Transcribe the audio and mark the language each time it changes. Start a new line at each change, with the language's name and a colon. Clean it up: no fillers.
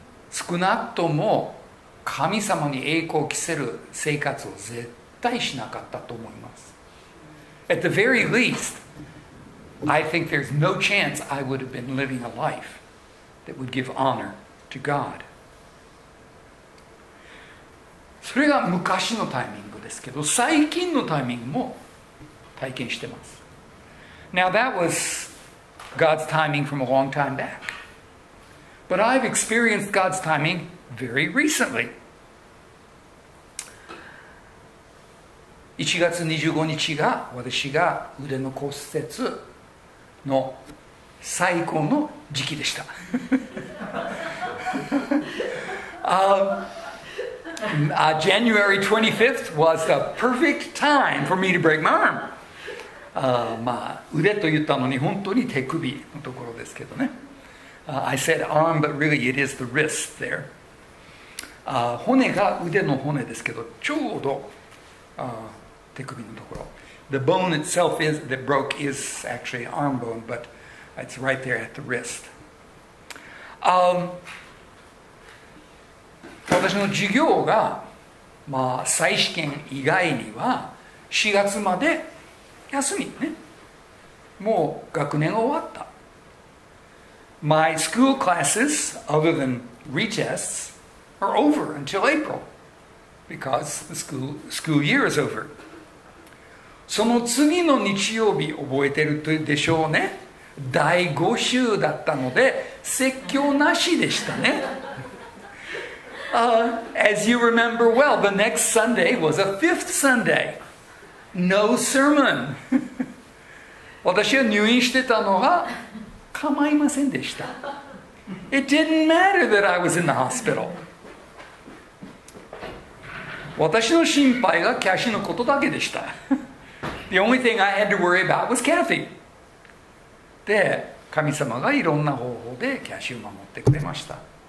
Japanese: 少なくとも神様に栄光を着せる生活を絶対しなかったと思います。
English: At the very least,I think there's no chance I would have been living a life that would give honor to God.
Japanese: それが昔のタイミングですけど、最近のタイミングも体験してます。
English: Now that was God's timing from a long time back. But I've experienced God's timing very recently.
Japanese: 1月25日が私が腕の骨折の最高の時期でした。
English: January 25th was the perfect time for me to break my arm.
Japanese: まあ腕と言ったのに本当に手首のところですけどね。
English: I said arm, but really it is the wrist there.
Japanese: 骨が腕の骨ですけど、ちょうど手首のところ。
English: The bone itself is, that broke is actually arm bone, but it's right there at the wrist.
Japanese: 私の授業が、まあ、再試験以外には4月まで休みね。もう学年が終わった。
English: My school classes, other than retests, are over until April, because the school year is over.
Japanese: その次の日曜日覚えてるでしょうね。第5週だったので説教なしでしたね。
English: As you remember well, the next Sunday was a fifth Sunday. No sermon.
Japanese: 私は入院してたのが構いませんでした。
English: It didn't matter that I was in the hospital.
Japanese: 私の心配がキャシーのことだけでした。
English: The only thing I had to worry about was Kathy.
Japanese: で、神様がいろんな方法でキャシーを守ってくれました。